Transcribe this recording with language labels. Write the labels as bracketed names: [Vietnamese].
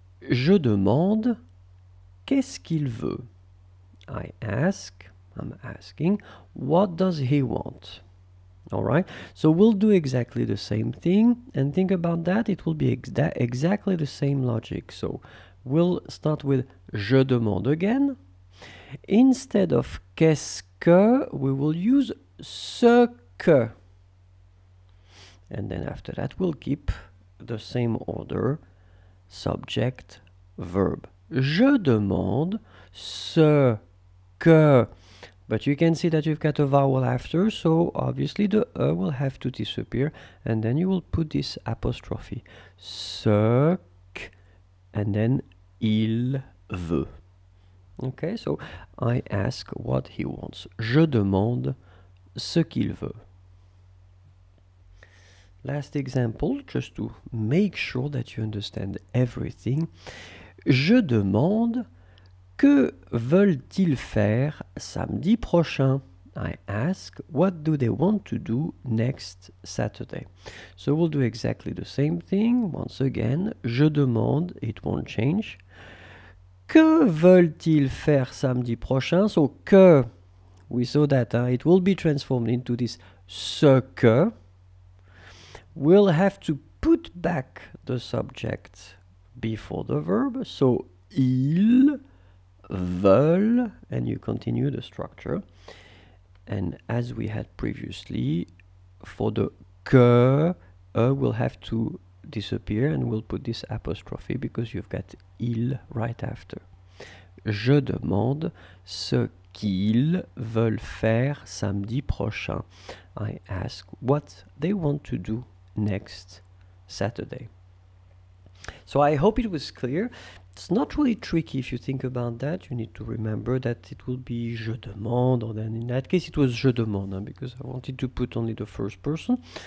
[French] Je demande, qu'est-ce qu'il veut? [English] I ask, I'm asking, what does he want? All right, so we'll do exactly the same thing. And think about that, it will be exactly the same logic. So we'll start with [French] je demande [English] again. Instead of [French] qu'est-ce que, [English] we will use [French] ce que. [English] And then after that, we'll keep the same order, subject, verb. [French] Je demande ce que. [English] But you can see that you've got a vowel after, so obviously the e will have to disappear, and then you will put this apostrophe. [French] Ce que, [English] and then [French] il veut. [English] Okay, so I ask what he wants. [French] Je demande ce qu'il veut. [English] Last example, just to make sure that you understand everything. [French] Je demande, que veulent-ils faire samedi prochain? [English] I ask, what do they want to do next Saturday? So we'll do exactly the same thing. Once again, [French] je demande, [English] it won't change. [French] Que veulent-ils faire samedi prochain? [English] So [French] que, [English] we saw that, [French] hein? [English] It will be transformed into this [French] ce que. [English] We'll have to put back the subject before the verb. So, [French] ils veulent, [English] and you continue the structure. And as we had previously, for the que, we'll have to disappear, and we'll put this apostrophe because you've got ils right after. [French] Je demande ce qu'ils veulent faire samedi prochain. [English] I ask what they want to do next Saturday. So I hope it was clear. It's not really tricky if you think about that. You need to remember that it will be [French] je demande, [English] or then in that case it was je demande, because I wanted to put only the first person.